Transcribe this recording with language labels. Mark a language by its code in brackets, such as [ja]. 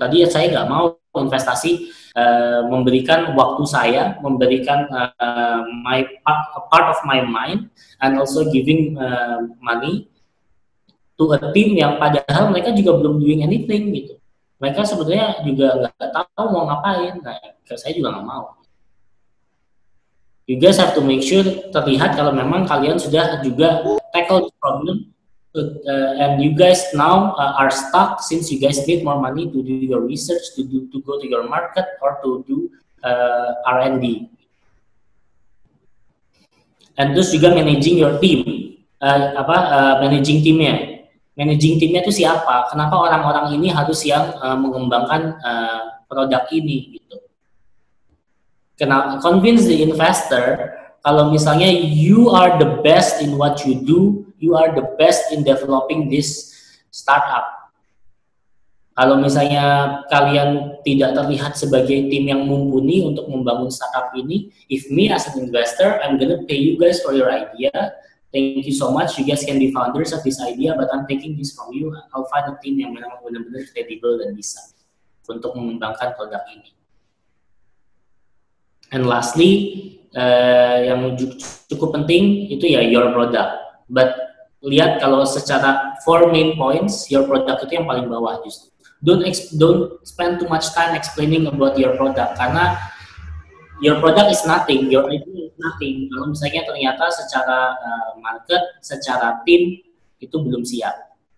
[id] Tadi saya nggak mau investasi memberikan waktu saya, memberikan [en] my part of my mind, and also giving money to a team [id] yang padahal mereka juga belum [en] doing anything [id] gitu. Mereka sebetulnya juga nggak tahu mau ngapain. Nah, saya juga nggak mau. [en] You guys have to make sure [id] terlihat kalau memang kalian sudah juga [en] tackle the problem, and you guys now are stuck since you guys need more money to do your research, to go to your market or to do R&D. [id] And terus juga [en] managing your team, [id] managing teamnya itu siapa, kenapa orang-orang ini harus yang mengembangkan produk ini gitu. [en] Convince the investor [id] kalau misalnya [en] you are the best in what you do, you are the best in developing this startup. [id] Kalau misalnya kalian tidak terlihat sebagai tim yang mumpuni untuk membangun startup ini, [en] if me as an investor, I'm gonna pay you guys for your idea. Thank you so much, you guys can be founders of this idea, but I'm taking this from you. I'll find a team [id] yang memang benar-benar credible dan bisa untuk mengembangkan produk ini. [en] And lastly, [id] yang cukup penting itu ya your product. But lihat kalau secara 4 main points, your product itu yang paling bawah justru. [en] Don't spend too much time explaining about your product, [id] karena [en] your product is nothing, your idea is nothing. [id] Kalau misalnya ternyata secara market, secara team itu belum siap.